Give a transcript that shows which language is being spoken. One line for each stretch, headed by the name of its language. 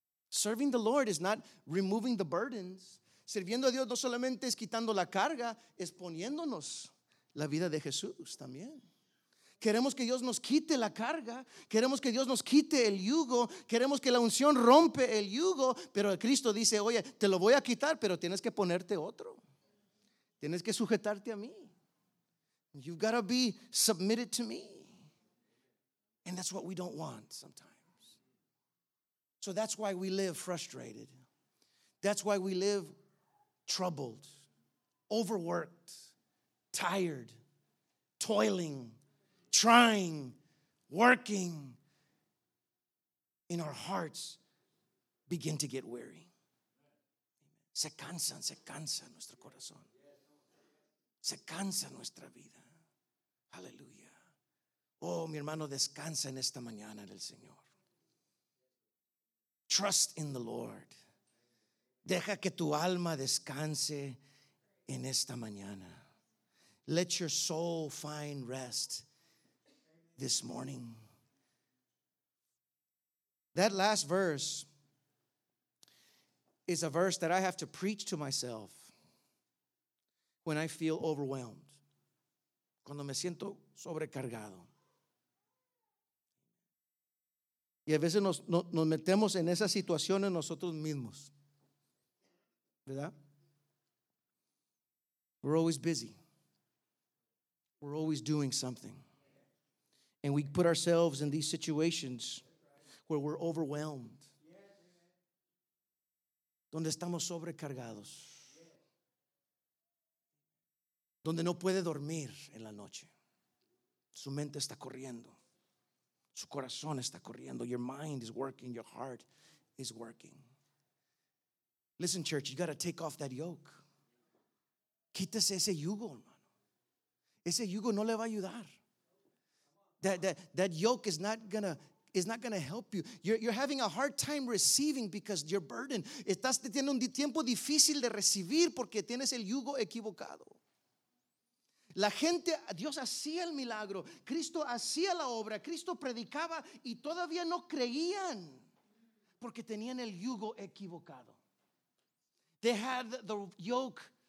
English: Serving the Lord is not removing the burdens.
Spanish: Sirviendo a Dios no solamente es quitando la carga, es poniéndonos la vida de Jesús también. Queremos que Dios nos quite la carga. Queremos que Dios nos quite el yugo. Queremos que la unción rompe el yugo. Pero Cristo dice, oye, te lo voy a quitar, pero tienes que ponerte otro. Tienes que sujetarte a mí.
English: You've got to be submitted to me. And that's what we don't want sometimes. So that's why we live frustrated. That's why we live troubled, overworked, tired, toiling, trying, working in our hearts begin to get weary.
Spanish: Se cansa nuestro corazón. Se cansa nuestra vida. Hallelujah. Oh, mi hermano, descansa en esta mañana en el Señor.
English: Trust in the Lord.
Spanish: Deja que tu alma descanse en esta mañana.
English: Let your soul find rest this morning. That last verse is a verse that I have to preach to myself when I feel overwhelmed.
Spanish: Cuando me siento sobrecargado. Y a veces nos metemos en esa situación en nosotros mismos. ¿Verdad?
English: We're always busy. We're always doing something. And we put ourselves in these situations where we're overwhelmed.
Spanish: Donde estamos sobrecargados. Donde no puede dormir en la noche. Su mente está corriendo. Su corazón está corriendo.
English: Your mind is working. Your heart is working. Listen, church, you got to take off that yoke.
Spanish: Quítese ese yugo, hermano. Ese yugo no le va a ayudar.
English: That yoke is not gonna help you. You're having a hard time receiving because your burden.
Spanish: Estás teniendo un tiempo difícil de recibir porque tienes el yugo equivocado. La gente, Dios hacía el milagro. Cristo hacía la obra. Cristo predicaba y todavía no creían porque tenían el yugo equivocado.
English: They had the yoke